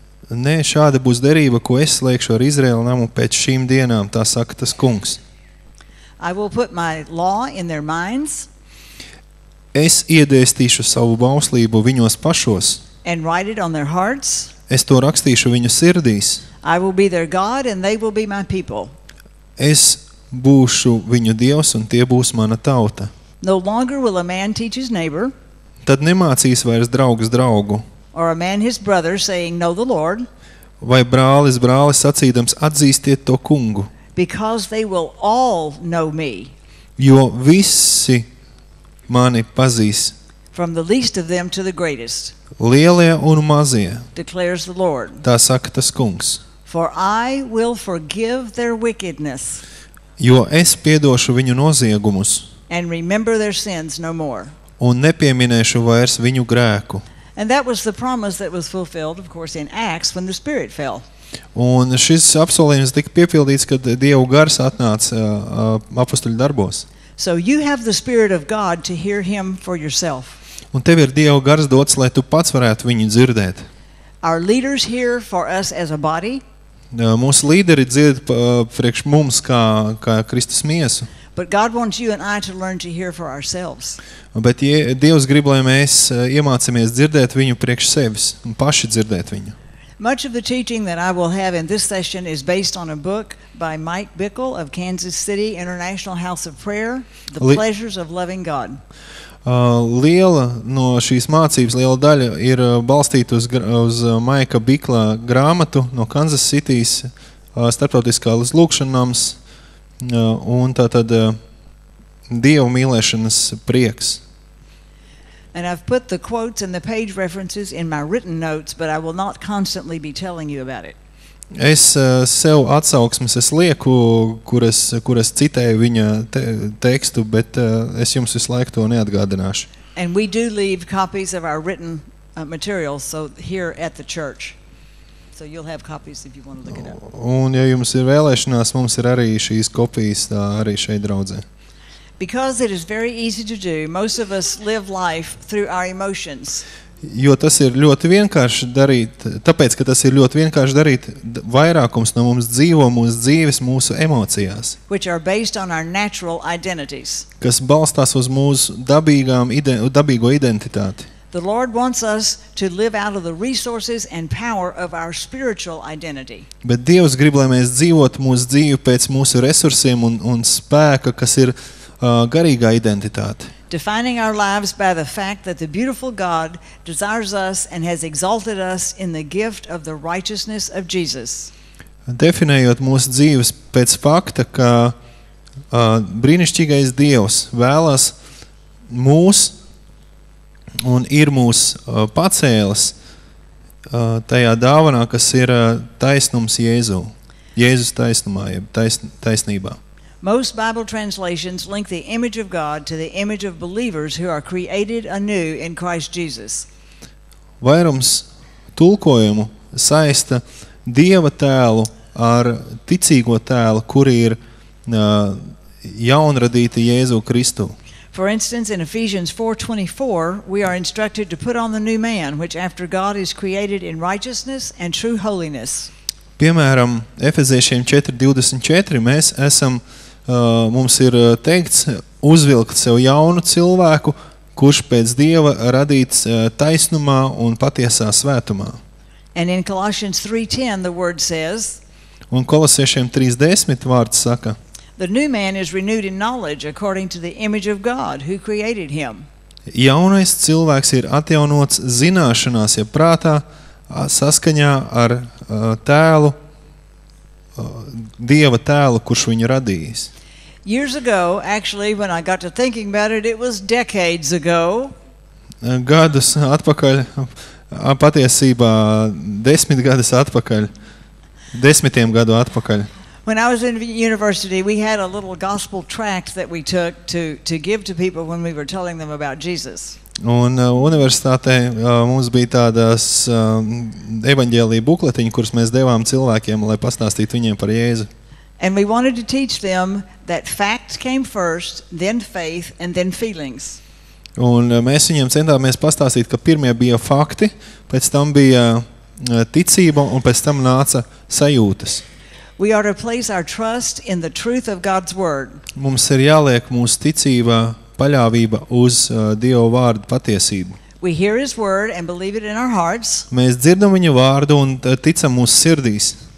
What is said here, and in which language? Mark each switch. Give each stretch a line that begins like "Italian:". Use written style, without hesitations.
Latvian: Nē, šāda būs derība, ko es slēgšu ar Izraēla namu pēc šīm dienām, tā saka tas Kungs.
English: I will put my law in their minds.
Latvian: Es iedēstīšu savu bauslību viņos pašos.
English: And write it on their hearts.
Latvian: Es to rakstīšu viņu sirdīs.
English: I will be their God and they will be my people.
Latvian: Es būšu viņu Dievs un tie būs mana tauta.
English: No longer will a man teach his neighbor.
Latvian: Tad nemācīs vairs draugs draugu.
English: Or a man his brother saying, know the Lord.
Latvian: Vai brālis brālis sacīdams, atzīstiet to Kungu.
English: Because they will all know me.
Latvian: Jo visi mani pazīs.
English: From the least of them to the greatest.
Latvian: Lielie un mazie,
English: declares the Lord.
Latvian: Tā saka tas Kungs.
English: For I will forgive their wickedness.
Latvian: Jo es piedošu viņu noziegumus.
English: And remember their sins no more.
Latvian: Un nepieminēšu vairs viņu grēku.
English: And that was the promise that was fulfilled, of course, in Acts when the Spirit fell.
Latvian: Un šis apsolījums tika piepildīts, kad Dieva gars atnāca apostoļu darbos.
English: So you have the Spirit of God to hear him for yourself.
Latvian: Un tev ir Dieva gars dots, lai tu pats varētu viņu dzirdēt.
English: Our leaders here for us as a body.
Latvian: Mūsu līderi dzird priekš mums kā Kristus miesu.
English: But God wants you and I to learn to hear for ourselves.
Latvian: Bet Dievs grib, lai mēs iemācāmies dzirdēt viņu priekš sevis un paši dzirdēt viņu.
English: Much of the teaching that I will have in this session is based on a book by Mike Bickle of Kansas City International House of Prayer, The Pleasures of Loving God.
Latvian: Liela no šīs mācības, liela daļa ir balstīta uz Maika Bikla grāmatu no Kansas City's starptautiskā lūkšanas un tātad Dievu mīlēšanas prieks.
English: And I've put the quotes and the page references in my written notes, but I will not constantly be telling you about it.
Latvian: Es sev atsauksmes es lieku, kuras citēju viņa tekstu, bet es jums visu laiku to neatgādināšu.
English: And we do leave copies of our written materials so here at the church. So you'll have copies if you want to look it up.
Latvian: Un ja jums ir vēlēšanās, mums ir arī šīs kopijas tā arī šeit draudzē.
English: Because it is very easy to do, most of us live life through our emotions.
Latvian: Jo tas ir ļoti vienkārši darīt, tāpēc, ka tas ir ļoti vienkārši darīt, vairākums no mums dzīvo mūsu dzīves, mūsu emocijās.
English: Which are based on our natural identities.
Latvian: Kas balstās uz mūsu dabīgo identitāti.
English: The Lord wants us to live out of the resources and power of our spiritual identity.
Latvian: Bet Dievs grib, lai mēs dzīvot mūsu dzīvi pēc mūsu resursiem un spēka, kas ir garīgā identitāte.
English: Defining our lives by the fact that the beautiful God desires us and has exalted us in the gift of the righteousness of Jesus.
Latvian: Definējot mūsu dzīves pēc fakta, ka brīnišķīgais Dievs vēlas mūs un ir mūs pacēlis tajā dāvanā, kas ir taisnums Jēzū. Jēzus taisnumā, taisnībā.
English: Most Bible translations link the image of God to the image of believers who are created anew in Christ Jesus.
Latvian: Vairums tulkojumu saista Dieva tēlu ar ticīgo tēlu, kuri ir jaunradīti Jēzu Kristu.
English: For instance, in Ephesians 4:24, we are instructed to put on the new man, which after God is created in righteousness and true holiness.
Latvian: Piemēram, Efeziešiem 4:24, mēs esam mums ir teikts uzvilkt sev jaunu cilvēku, kurš pēc Dieva radīts taisnumā un patiesā svētumā.
English: And in Colossians 3:10 the word says.
Latvian: Un Kolosiešiem 3:10 vārds saka.
English: The new man is renewed in knowledge according to the image of God who created him.
Latvian: Jaunais cilvēks ir atjaunots zināšanās, ja prātā saskaņā ar tēlu Dieva tēlu, kurš viņu radījis.
English: Years ago, actually, when I got to thinking about it, it was decades ago.
Latvian: Gadus atpakaļ, patiesībā desmit gadus atpakaļ, desmitiem gadu atpakaļ.
English: When I was in university, we had a little gospel tract that we took to give to people when we were telling them about Jesus.
Latvian: Un universitātē mums bija tādas evaņģēlija bukletiņi, kuras mēs devām cilvēkiem, lai pastāstītu viņiem par Jēzu.
English: And we wanted to teach them that facts came first, then faith, and then feelings.
Latvian: Un mēs viņiem centāmies pastāstīt, ka pirmie bija fakti, pēc tam bija ticība un pēc tam nāca sajūtas.
English: We are to place our trust in the truth of God's word.
Latvian: Mums ir jāliek mūsu ticība, paļāvība uz Dieva vārdu patiesību.
English: We hear his word and believe it in our hearts.
Latvian: Mēs dzirdam viņa vārdu un ticam mūsu sirdīs.